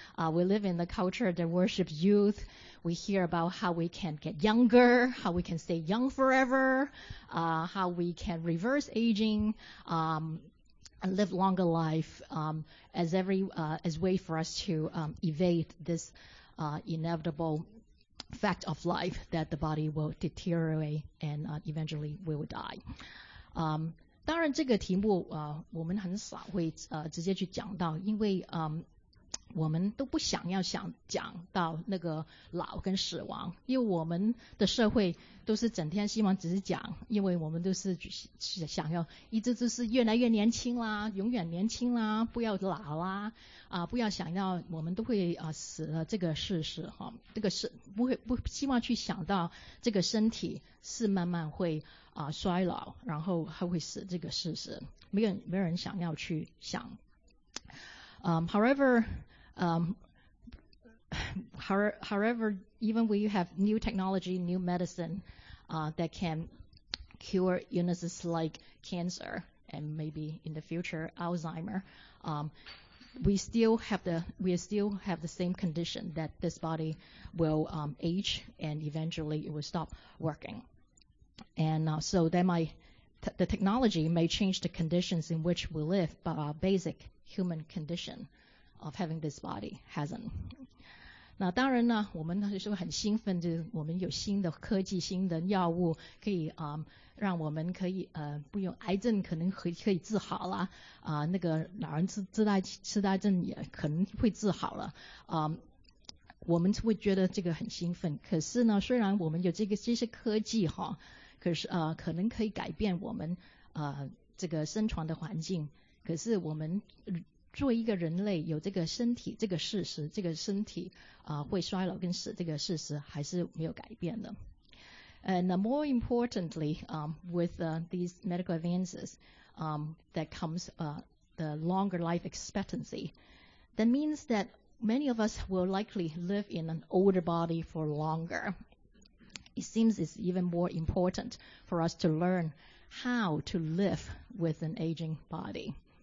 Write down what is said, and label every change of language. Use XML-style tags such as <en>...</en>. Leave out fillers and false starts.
<en>We live in the culture that worships youth. We hear about how we can get younger, how we can stay young forever, how we can reverse aging, and live longer life as way for us to evade this inevitable fact of life that the body will deteriorate and eventually will die.</en> <zh>当然这个题目我们很少会直接去讲到，因为我们都不想要想讲到那个老跟死亡，因为我们的社会都是整天希望只是讲，因为我们都是想要一直就是越来越年轻啦，永远年轻啦，不要老啦，不要想要我们都会死了这个事实哈，这个是不会不希望去想到这个身体是慢慢会衰老，然后还会死这个事实，没有人想要去想。</zh> <en>However, even we have new technology, new medicine that can cure illnesses like cancer and maybe in the future Alzheimer, we still have the same condition that this body will age and eventually it will stop working. And so that the technology may change the conditions in which we live, but our basic human condition of having this body hasn't.</en> <zh>那当然呢，我们就是很兴奋，就是我们有新的科技、新的药物，可以让我们可以不用癌症，可能可以治好了那个老人痴呆症也可能会治好了我们会觉得这个很兴奋。可是呢，虽然我们有这些科技哈，可是可能可以改变我们这个生存的环境。可是我们作为一个人类，有这个身体这个事实，这个身体会衰老跟死这个事实还是没有改变的。</zh> <en>And more importantly, with these medical advances that comes the longer life expectancy, that means that many of us will likely live in an older body for longer. It seems it's even more important for us to learn how to live with an aging body.</en>